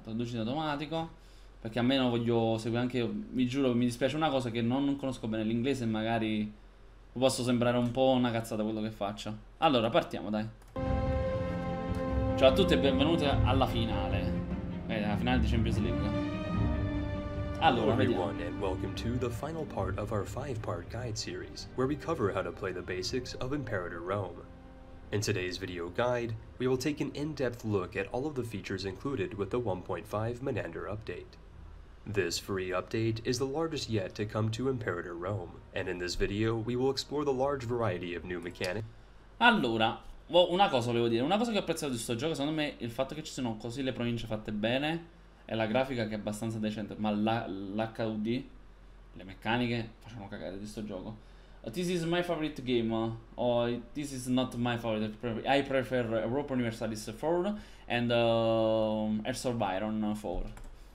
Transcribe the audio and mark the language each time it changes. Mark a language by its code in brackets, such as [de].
[it] Traduci in automatico. Perché almeno voglio seguire anche io. Vi giuro, mi dispiace una cosa, che non conosco bene l'inglese e magari posso sembrare un po' una cazzata quello che faccio. Allora, partiamo, dai. Ciao a tutti e benvenuti alla finale. La finale di Champions League. [en] Hello [it] Allora, vediamo. [en] everyone, and welcome to the final part of our five-part guide series, where we cover how to play the basics of Imperator Rome. In today's video guide, we will take an in-depth look at all of the features included with the 1.5 Menander update. This free update is the largest yet to come to Imperator Rome, and in this video we will explore the large variety of new mechanics. [it] Allora, una cosa volevo dire, una cosa che ho apprezzato di questo gioco, secondo me, il fatto che ci siano così le province fatte bene e la grafica che è abbastanza decente, ma l'HUD, le meccaniche, facciamo cagare di sto gioco. [en] This is my favorite game, this is not my favorite, I prefer Europa Universalis 4 and Heirs of Iron 4.